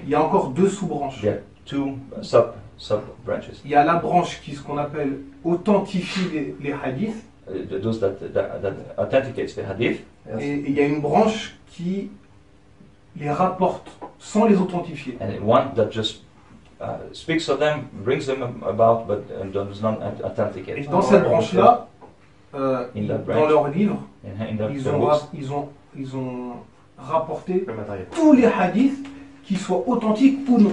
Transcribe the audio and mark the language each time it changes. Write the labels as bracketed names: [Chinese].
[French] Il y a encore deux sous-branches. [English] Yeah, two sub-branches. [French] Il y a la branche qui ce qu'on appelle authentifie les hadiths. [English] Those that authenticates the hadith. Yes. [French] Et il y a une branche qui les rapporte sans les authentifier. [English] And one that just speaks of them, brings them about, but does not authenticate. [French] Et dans cette branche-là, dans leurs livres, ils ont rapporté le matériel. Tous les hadiths qui soient authentiques ou non.